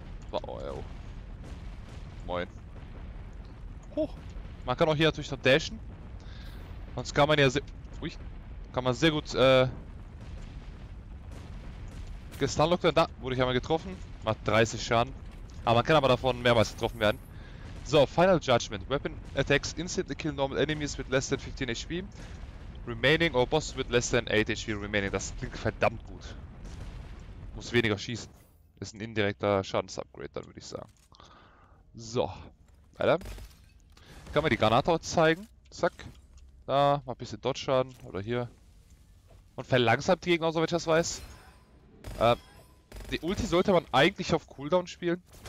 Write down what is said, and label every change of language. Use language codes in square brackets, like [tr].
[de] Oh, moin. Hoch. Man kann auch hier natürlich noch dashen. Sonst kann man ja sehr. Ui. Kann man sehr gut gestunlockt. Da wurde ich einmal getroffen. Macht 30 Schaden. Aber man kann aber davon mehrmals getroffen werden. So, Final Judgment. [en] Weapon attacks instantly kill normal enemies with less than 15 HP. Remaining or boss with less than 8 HP remaining. [de] Das klingt verdammt gut. Muss weniger schießen. Ist ein indirekter Schadensupgrade, dann würde ich sagen. So, weiter. Kann man die Granate auch zeigen. Zack. Da, mal ein bisschen Dodge-Schaden. Oder hier. Und verlangsamt die Gegner, soweit ich das weiß. Die Ulti sollte man eigentlich auf Cooldown spielen.